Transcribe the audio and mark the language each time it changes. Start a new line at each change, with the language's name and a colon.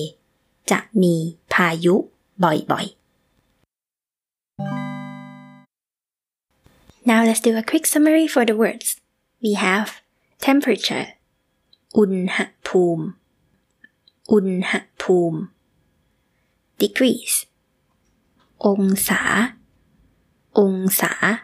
Thai: ในช่วงหน้าฝนที่ทะเลจะมีพายุบ่อยๆ.
English: Now let's do a quick summary for the words. We have temperature, อุณหภูมิ. Degrees, องศา.